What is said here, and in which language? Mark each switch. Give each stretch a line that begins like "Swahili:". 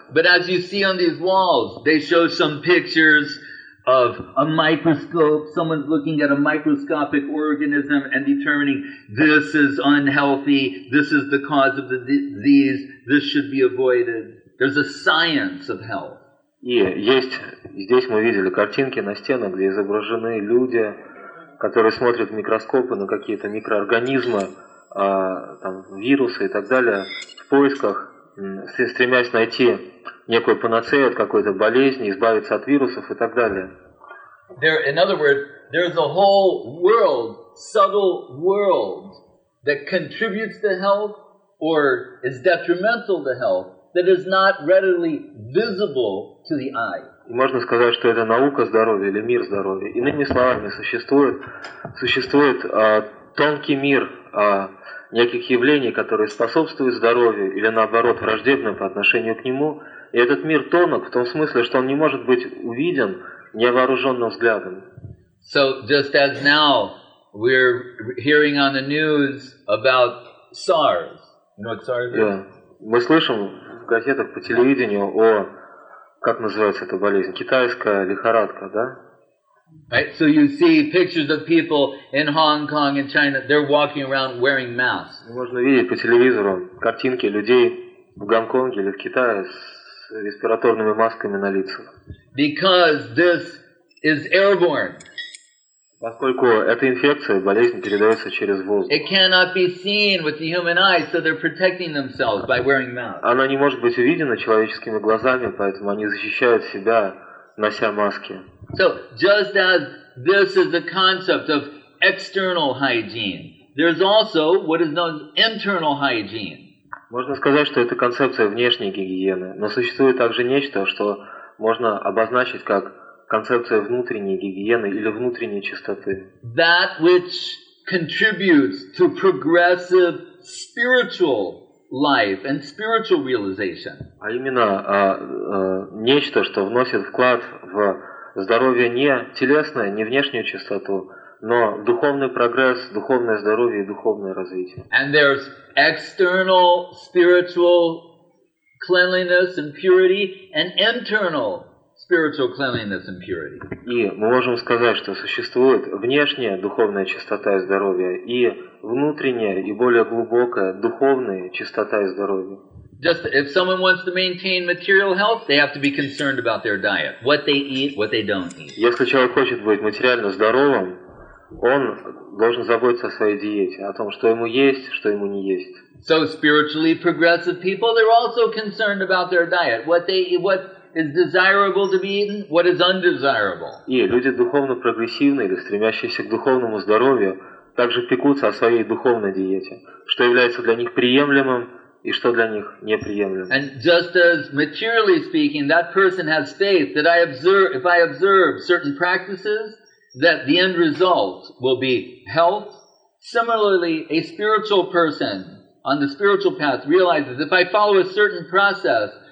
English: But as you see on these walls, they show some pictures of a microscope. Someone's looking at a microscopic organism and determining this is unhealthy, this is the cause of the disease, this should be avoided. There's a science of health.
Russian: И есть, здесь мы видели картинки на стенах, где изображены люди, которые смотрят в микроскопы на какие-то микроорганизмы, там, вирусы и так далее, в поисках, стремясь найти некую панацею от какой-то болезни, избавиться от вирусов и так далее.
English: There, in other words, there's a whole world, subtle world, that contributes to health or is detrimental to health. That is not readily visible to the eye.
Russian: И можно сказать, что это наука здоровья или мир здоровья. Иными словами, существует тонкий мир неких явлений, которые способствуют здоровью или наоборот враждебны по отношению к нему. И этот мир тонок в том смысле, что он не может быть увиден невооруженным взглядом.
English: So just as now we're hearing on the news about SARS. You know what SARS is?
Russian: Мы слышим в газетах по телевидению о, как называется эта болезнь, китайская лихорадка, да?
English: Right, so you see pictures of people in Hong Kong and China, they're walking around wearing masks.
Russian: Можно видеть по телевизору картинки людей в Гонконге или в Китае с респираторными масками на лицах.
English: Because this is airborne.
Russian: Поскольку эта инфекция, болезнь передается через воздух.
English: It cannot be seen with the human eye, so they're protecting themselves by wearing masks.
Russian: Она не может быть увидена человеческими глазами, поэтому они защищают себя, нося маски.
English: So, just as this is the concept of external hygiene, there's also what is known as internal hygiene.
Russian: Можно сказать, что это концепция внешней гигиены, но существует также нечто, что можно обозначить как концепция внутренней гигиены или внутренней чистоты.
English: That which contributes to progressive spiritual life and spiritual realization.
Russian: А именно нечто, что вносит вклад в здоровье не телесное, не внешнюю чистоту, но духовный прогресс, духовное здоровье и духовное развитие.
English: And there's external spiritual cleanliness and purity and internal spiritual cleanliness and purity.
Russian: И мы можем сказать, что существует внешняя духовная чистота и здоровье и внутренняя и более глубокая духовная чистота и здоровье.
English: Just if someone wants to maintain material health, they have to be concerned about their diet, what they eat, what they don't eat.
Russian: Если человек хочет быть материально здоровым, он должен заботиться о своей диете, о том, что ему есть, что ему не есть.
English: So spiritually progressive people, they're also concerned about their diet, what they eat, what is desirable to be eaten, what is undesirable.
Russian: И люди духовно прогрессивные или стремящиеся к духовному здоровью также пекутся о своей духовной диете, что является для них приемлемым и что для них неприемлемым.
English: And just as materially speaking, that person has faith that if I observe certain practices, that the end result will be health. Similarly, a spiritual person on the spiritual path realizes if I follow a certain process,